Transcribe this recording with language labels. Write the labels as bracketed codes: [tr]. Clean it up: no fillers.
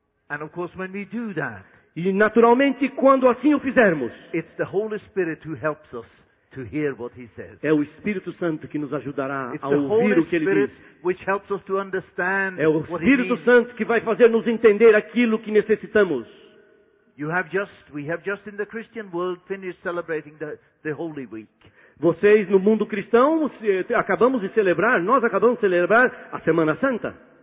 [en] And of course, when we do that, [pt] e naturalmente, quando assim o fizermos, [en] it's the Holy Spirit who helps us. To hear what he says. [pt] É o Espírito Santo que nos ajudará [en] It's [pt] a ouvir o que ele diz. [en] Which helps us to understand [pt] é o Espírito Santo que vai fazer nos entender aquilo que necessitamos. [en] We have just in the Christian world finished celebrating the Holy Week. [pt] Vocês no mundo cristão acabamos de celebrar a Semana Santa.